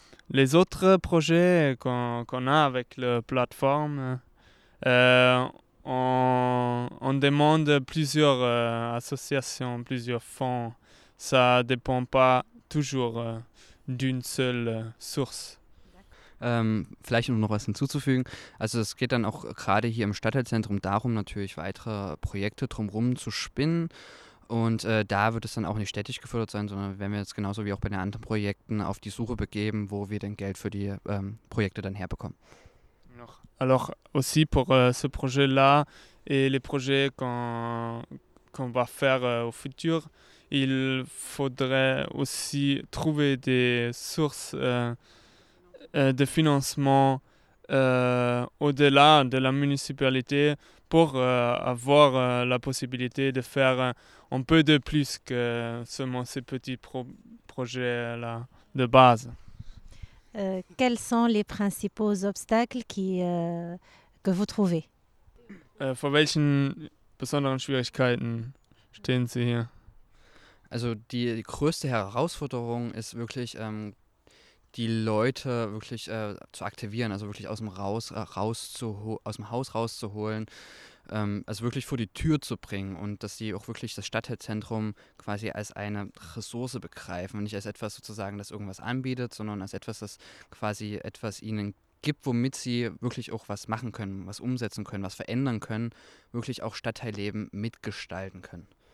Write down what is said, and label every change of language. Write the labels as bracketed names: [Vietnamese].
[French] les autres projets qu'on a avec la plateforme, on demande plusieurs associations, plusieurs fonds. Ça ne dépend pas toujours d'une seule source. [German] Vielleicht um noch was hinzuzufügen. Also es geht dann auch gerade hier im Stadtteilzentrum darum, natürlich weitere Projekte drumherum zu spinnen. Und da wird es dann auch nicht städtisch gefördert sein, sondern werden wir jetzt genauso wie auch bei den anderen Projekten auf die Suche begeben, wo wir denn Geld für die Projekte dann herbekommen. [French] Alors aussi pour ce projet-là et les projets qu'on va faire au futur, il faudrait aussi trouver des sources de financement au-delà de la municipalité pour avoir la possibilité de faire un peu de plus que seulement ces petits projets-là de base. Quels sont les principaux obstacles que vous trouvez? [German] Vor welchen besonderen Schwierigkeiten stehen Sie hier? Also die größte Herausforderung ist wirklich, die Leute wirklich zu aktivieren, also wirklich aus dem Haus rauszuholen, also wirklich vor die Tür zu bringen und dass sie auch wirklich das Stadtteilzentrum quasi als eine Ressource begreifen und nicht als etwas sozusagen, das irgendwas anbietet, sondern als etwas, das quasi etwas ihnen gibt, womit sie wirklich auch was machen können, was umsetzen können, was verändern können, wirklich auch Stadtteilleben mitgestalten können.